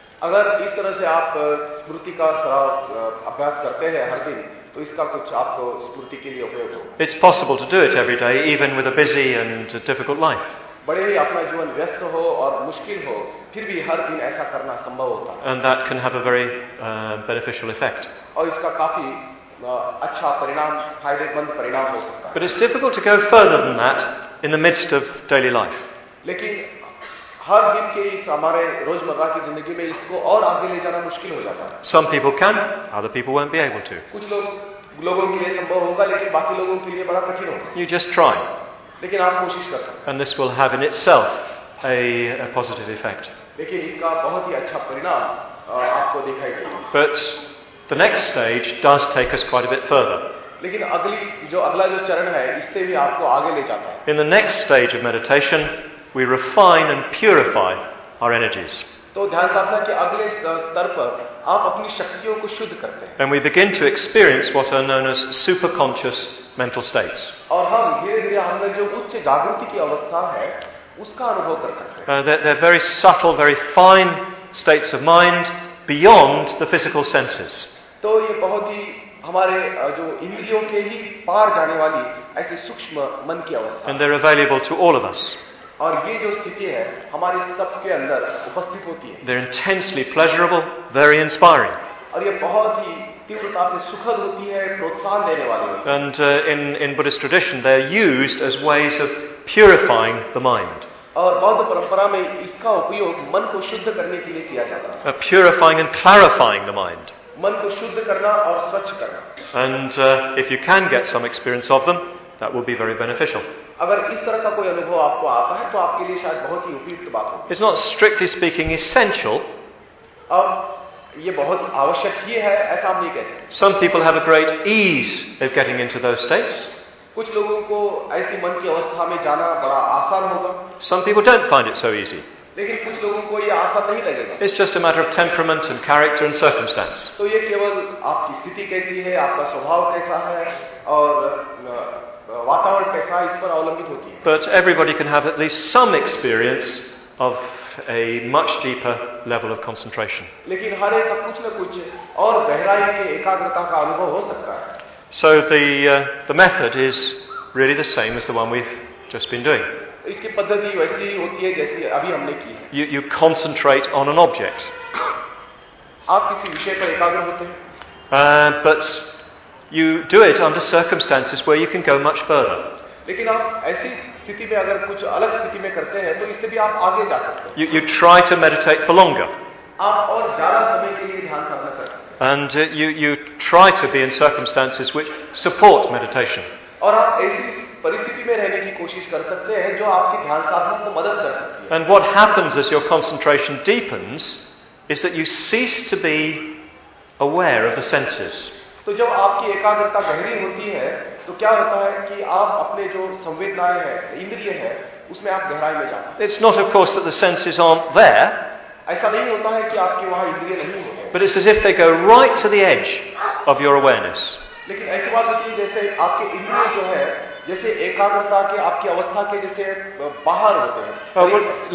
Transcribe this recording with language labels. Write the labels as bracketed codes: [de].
[hi] अगर इस तरह से आप स्मृति का अभ्यास करते हैं हर दिन तो इसका कुछ आपको स्फूर्ति के लिए उपयोग हो। [en] It's possible to do it every day, even with a busy and difficult life. [hi] बड़े ही अपना जीवन व्यस्त हो और मुश्किल हो, फिर भी हर दिन ऐसा करना संभव होता है। [en] And that can have a very beneficial effect. [hi] और इसका काफी अच्छा परिणाम, फायदेमंद परिणाम हो सकता है। [en] But it's difficult to go further than that in the midst of daily life. [hi] लेकिन हर दिन के इस हमारे रोजमर्रा की जिंदगी में इसको और आगे ले जाना मुश्किल हो जाता है। [en] Some people can, other people won't be able to. [hi] कुछ लोगों के लिए संभव होगा लेकिन बाकी लोगों के लिए बड़ा कठिन होगा। [en] You just try. [hi] लेकिन आप कोशिश कर सकते हैं। [en] And this will have in itself a positive effect. [hi] लेकिन इसका बहुत ही अच्छा परिणाम आपको दिखाई देगा। [en] But the next stage does take us quite a bit further. [hi] लेकिन अगला जो चरण है इससे भी आपको आगे ले जाता है। [en] In the next stage of meditation, we refine and purify our energies. [hi] तो ध्यान साधना के अगले स्तर पर आप अपनी शक्तियों को शुद्ध करते हैं। [en] And we begin to experience what are known as superconscious mental states. [hi] और हम धीरे-धीरे हमने जो उच्च जागृति की अवस्था है उसका अनुभव कर सकते हैं। [en] They're very subtle, very fine states of mind beyond the physical senses. [hi] तो ये बहुत ही हमारे जो इंद्रियों के ही पार जाने वाली ऐसी सूक्ष्म मन की अवस्था। [en] And they're available to all of us. [hi] और ये जो स्थिति है हमारे सबके अंदर उपस्थित होती है। [en] They're intensely pleasurable, very inspiring. [hi] और ये बहुत ही तीव्रता से सुखद होती है, प्रोत्साहन देने वाली होती है। [en] And in Buddhist tradition, they are used as ways of purifying the mind. [hi] और बौद्ध परंपरा में इसका उपयोग मन को शुद्ध करने के लिए किया जाता है। [en] Purifying and clarifying the mind. [hi] मन को शुद्ध करना और स्वच्छ करना। [en] And if you can get some experience of them, that will be very beneficial. [hi] अगर इस तरह का कोई अनुभव आपको आता है तो आपके लिए शायद बहुत ही उपयुक्त बात होगी। [en] It's not strictly speaking essential. [hi] अब ये बहुत आवश्यक ही है, ऐसा आप नहीं कह सकते। [en] Some people have a great ease of getting into those states. [hi] कुछ लोगों को ऐसी मन की अवस्था में जाना बड़ा आसान होगा। [en] Some people don't find it so easy. [hi] लेकिन कुछ लोगों को ये आसान नहीं लगेगा। [en] It's just a matter of temperament and character and circumstance. [hi] तो ये केवल आपकी स्थिति कैसी है, आपका स्वभाव कैसा है और वातावरण कैसा इस पर अवलंबित होती है। [en] But everybody can have at least some experience of a much deeper level of concentration. [hi] लेकिन हर एक का कुछ न कुछ और गहराई की एकाग्रता का अनुभव हो सकता है। [en] So the method is really the same as the one we've just been doing. [hi] इसकी पद्धति वैसी ही होती है जैसी अभी हमने की है। [en] You concentrate on an object. [hi] आप किसी विषय पर एकाग्र होते हैं। [en] But you do it under circumstances where you can go much further. [hi] लेकिन आप ऐसी स्थिति में अगर कुछ अलग स्थिति में करते हैं तो इससे भी आप आगे जा सकते हैं। [en] You try to meditate for longer. [hi] आप और ज्यादा समय के लिए ध्यान साधना करते हैं। [en] And you try to be in circumstances which support meditation. [hi] और आप ऐसी परिस्थिति में रहने की कोशिश कर सकते हैं जो आपकी ध्यान साधना को मदद कर सकती है। [en] And what happens as your concentration deepens is that you cease to be aware of the senses. [hi] तो जब आपकी एकाग्रता गहरी होती है तो क्या होता है कि आप अपने जो संवेदनाएं हैं, इंद्रिय हैं, उसमें आप गहराई में जाते हैं। [en] It's not of course that the senses aren't there. [hi] ऐसा नहीं होता है कि आपके वहां इंद्रिय नहीं होते। [en] But it's as if they go right to the edge of your awareness. [hi] लेकिन ऐसी बात होती है जैसे आपके इंद्रिय जो है जैसे एकाग्रता के आपकी अवस्था के जैसे बाहर होते हैं।